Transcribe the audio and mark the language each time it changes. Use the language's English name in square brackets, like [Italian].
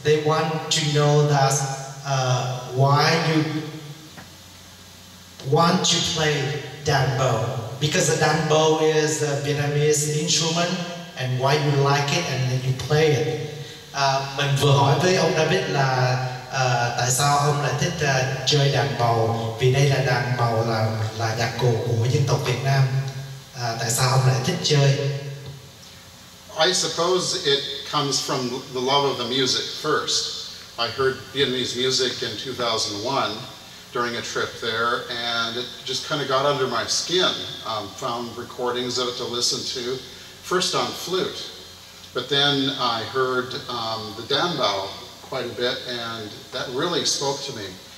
[English] They want to know that why you want to play danbo, because the danbo is a Vietnamese instrument, and why you like it and then you play it. [Vietnamese] Mình vừa hỏi với ông David là tại sao ông lại thích chơi đàn bầu, vì đây là đàn bầu là nhạc cụ của dân tộc Việt Nam. Tại sao ông lại thích chơi? [English] I suppose it comes from the love of the music first. I heard Vietnamese music in 2001 during a trip there, and it just kind of got under my skin. Found recordings of it to listen to, first on flute, but then I heard the danbo quite a bit, and that really spoke to me.